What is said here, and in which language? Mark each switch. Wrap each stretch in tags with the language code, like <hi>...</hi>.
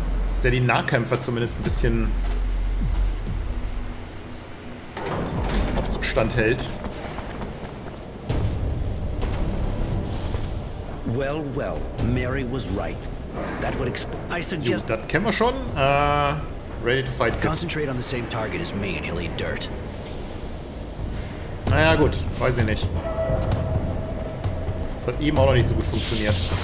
<de>Dass der die Nahkämpfer zumindest ein bisschen auf Abstand hält.</de> <en>Well, well, Mary was right. That would I suggest.</en> <de>Das kennen wir schon.</de> <en>Ready to fight. Concentrate on the same target as me and he'll eat dirt.</en> <de>Naja gut, weiß ich nicht. Das hat eben auch noch nicht so gut funktioniert.</de>